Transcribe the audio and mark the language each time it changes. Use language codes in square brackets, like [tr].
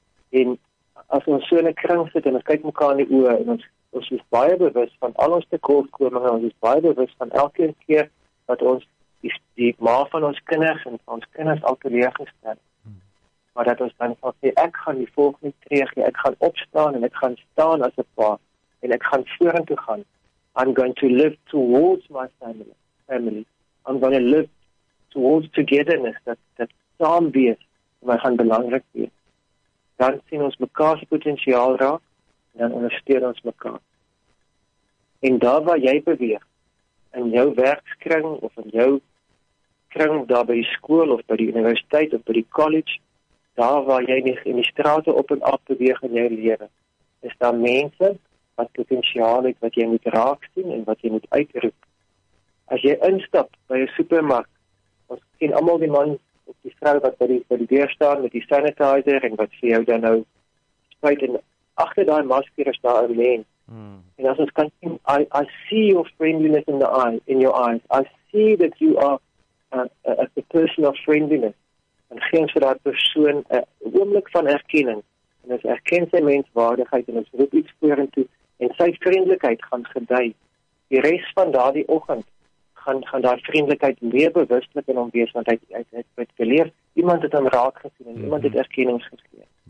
[af] En as ons so in 'n kring sit en ons kyk mekaar in die oë en ons is baie bewus van al ons tekortkominge, ons is baie bewus van elke keer wat ons die ma van ons kinders en van ons kinders al teleeggestel. Maar dat ons dan sal sê, ek gaan die volgende tree gee, ek gaan opstaan en ek gaan staan as 'n pa en ek gaan vorentoe gaan. [en] I'm going to live towards my family. I'm going to live towards togetherness, [af] dat saam wees, my gaan belangrik wees. Dan sien ons mekaar se potensiaal raak, en dan ondersteun ons mekaar. En daar waar jy beweeg, in jou werkskring, of in jou kring daar by die skool, of by die universiteit, of by die college, daar waar jy nie in die strate op en af beweeg in jou lewe, is daar mense wat potensiaal het, wat jy moet raak sien, en wat jy moet uitroep. As jy instap by een supermarkt, ons ken allemaal die man op die vrou wat by die deur staan met die sanitizer en wat vir jou dan nou spuit en agter daai masker is daar 'n mens. [en] Mm. [af] En as ons kan sien, [en] I see your friendliness in your eyes. I see that you are a person of friendliness. [af] En geen vir daai persoon 'n oomblik van erkenning. En ons erken sy menswaardigheid en ons roep iets vorentoe en sy vriendelikheid gaan gedei. Die res van daardie oggend gaan daar vriendelikheid meer bewustelik in hom wees, want hy het geleer, iemand het hom raak gesien, en iemand het erkenning gegee.